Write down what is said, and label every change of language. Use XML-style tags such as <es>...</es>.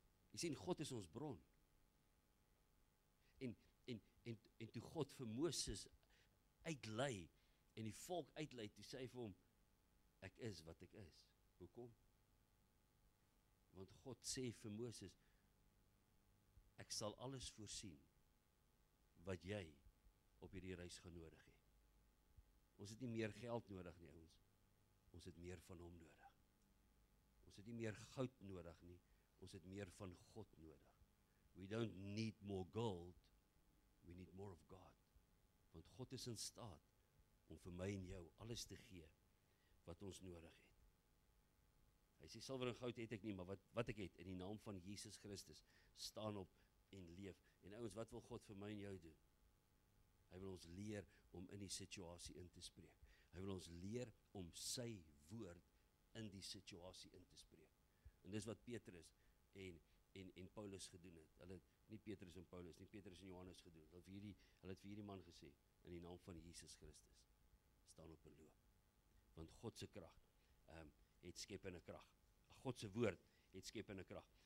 <af>Jy sien, God is ons bron. En toe God vir Moses uitlei en die volk uitlei, toe sê hy vir hom, ek is wat ek is. Hoekom? Want God sê vir Moses, ek sal alles voorsien wat jy op hierdie reis gaan nodig hê. Ons het nie meer geld nodig nie, ons. Ons het meer van hom nodig. Ons het nie meer goud nodig nie, ons het meer van God nodig.</af> <en>We don't need more gold, we need more of God.</en> <af>Want God is in staat om vir my en jou alles te gee wat ons nodig het. Hy sê, silwer en goud het ek nie, maar wat ek het, in die naam van Jesus Christus, staan op en leef. En ouens, wat wil God vir my en jou doen? Hy wil ons leer om in die situasie in te spreek. Hy wil ons leer om sy woord in die situasie in te spreek. En dis wat Petrus en Paulus gedoen het. Hulle het nie Petrus en Paulus, nie Petrus en Johannes gedoen. Hulle het vir hierdie man gesê, in die naam van Jesus Christus, staan op en loop. Want Godse krag het skepende krag. Godse woord het skepende krag.</af>